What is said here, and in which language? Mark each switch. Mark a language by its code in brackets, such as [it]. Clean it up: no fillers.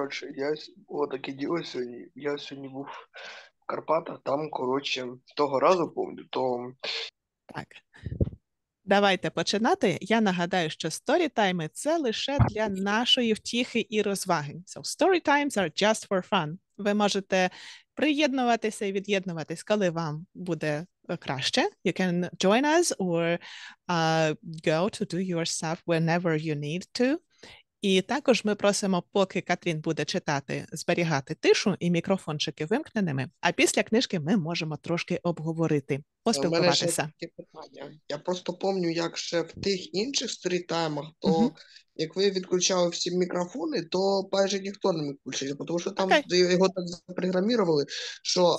[uk] Коротше, я отаке діло сьогодні. Я сьогодні був в Карпатах, там, коротше, того разу помню, то... Так. Давайте починати. Я нагадаю, що сторітайми – це лише для нашої втіхи і розваги. [en] So, story times are just for fun. [uk] Ви можете приєднуватися і від'єднуватись, коли вам буде краще. [en] You can join us or go to do your stuff whenever you need to. [uk] І також ми просимо, поки Катрін буде читати, зберігати тишу і мікрофончики вимкненими, а після книжки ми можемо трошки обговорити, У мене ще поспілкуватися. таке питання. Я просто пам'ятаю, як ще в тих інших сторітаймах, то як ви відключали всі мікрофони, то майже ніхто не відключив, тому що там його так запрограмували, що